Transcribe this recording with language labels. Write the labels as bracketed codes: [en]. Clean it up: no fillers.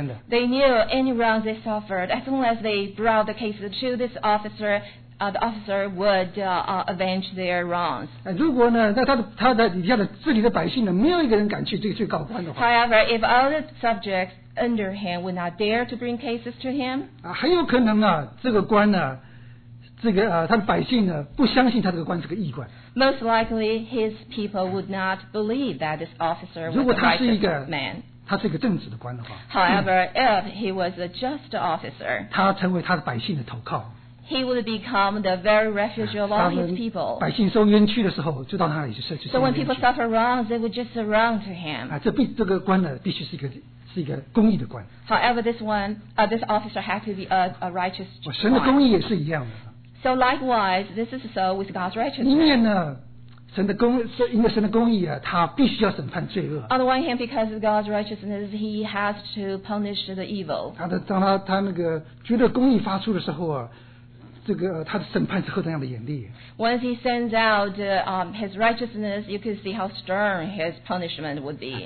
[en] They knew any wrong they suffered. As long as they brought the case to this officer, the officer would avenge their wrongs. [zh] 如果呢，那他的底下的治理的百姓呢，没有一个人敢去告官的话。 [en] However, if all the subjects under him would not dare to bring cases to him, [zh] 很有可能啊，这个官呢，这个他的百姓呢，不相信他这个官是个义官。 [en] Most likely, his people would not believe that this officer was a righteous man. [zh] 他是一个正直的官的话, [en] However, if he was a just officer, [zh] 他成为他的百姓的投靠, [en] he would become the very refuge of all his people. [zh] 百姓受冤屈的时候, 就到他那里去, [en] so when people suffer wrong, they would just surround to him. [zh] 这个官呢,必须是一个公义的官。 [en] However, this officer had to be a righteous one. [zh] 神的公义也是一样的。 [en] So likewise, this is so with God's righteousness. [zh] 一面呢, 神的公义啊, 他必须要审判罪恶。 [en] On the one hand, because of God's righteousness, he has to punish the evil. [zh] 当他觉得公义发出的时候啊, 这个他的审判是何等样的严厉。 [en] Once he sends out his righteousness, you can see how stern his punishment would be.